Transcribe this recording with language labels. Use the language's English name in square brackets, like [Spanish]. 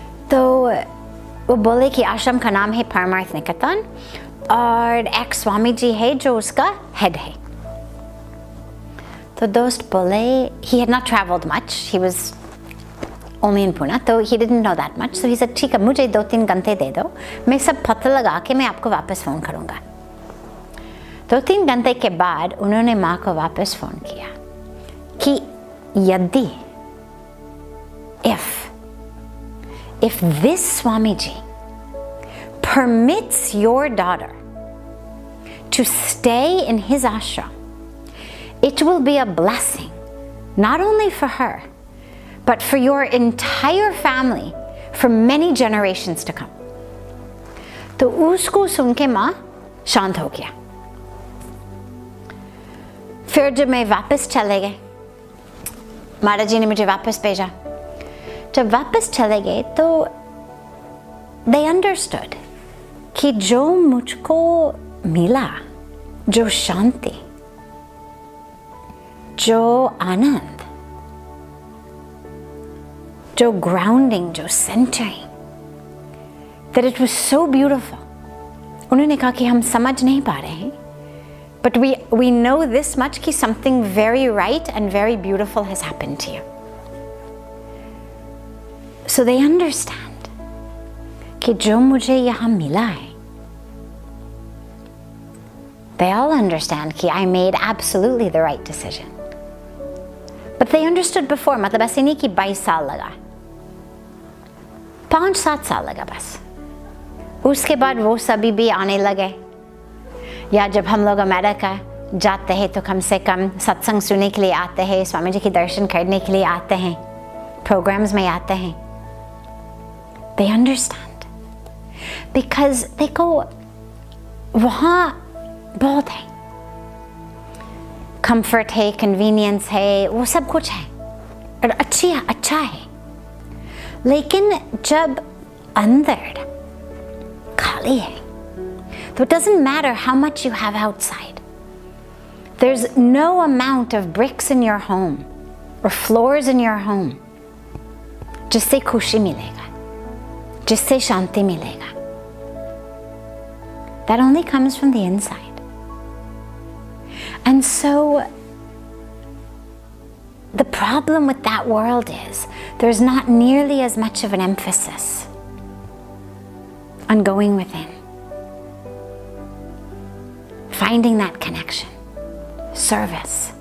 [Hindi] तो वो बोले कि आश्रम का नाम है परमार्थ निकेतन और एक स्वामी जी है जो उसका हेड है। तो दोस्त बोले, [English] he had not travelled much, he was only in Pune, [Hindi] तो [English] He didn't know that much. So he said, [Hindi] ठीक है, मुझे दो तीन घंटे दे दो, मैं सब पता लगा के मैं आपको वापस फ़ोन करूँगा। दो तीन घंटे के बाद उन्होंने माँ को वापस फ़ोन किया कि यदि [English] If this Swamiji permits your daughter to stay in his ashram, it will be a blessing, not only for her, but for your entire family for many generations to come. [Hindi] तो उसको सुनके माँ शांत हो गया। फिर जब मैं वापस चले गए, महाराज जी ने मुझे वापस भेजा। जब वापस चले गए तो [English] they understood [Hindi] कि जो मुझको मिला, जो शांति, जो आनंद, जो ग्राउंडिंग, जो centering, [English] That it was so beautiful. [Hindi] उन्होंने कहा कि हम समझ नहीं पा रहे हैं, [English] But we know this much कि something very right and very beautiful has happened to you. So they understand [Hindi] कि जो मुझे यहाँ मिला है, [English] they all understand कि I made absolutely the right decision. But they understood before, [Hindi] मतलब ऐसे नहीं कि 22 साल लगा, 5-7 साल लगा बस। उसके बाद वो सभी भी आने लगे, या जब हम लोग अमेरिका जाते हैं तो कम से कम सत्संग सुनने के लिए आते हैं, स्वामी जी के दर्शन करने के लिए आते हैं, प्रोग्राम्स में आते हैं। [English] They understand because they go, [Hindi] वहाँ बहुत है, कंफर्ट है, कन्वीनियंस है, वो सब कुछ है और अच्छी है, अच्छा है. लेकिन जब अंदर खाली है तो [English] It doesn't matter how much you have outside. There is no amount of bricks in your home और floors in your home [Hindi] जिससे खुशी मिलेगा, जिससे शांति मिलेगा. [English] That only comes from the inside. And so the problem with that world is there's not nearly as much of an emphasis on going within, finding that connection, service.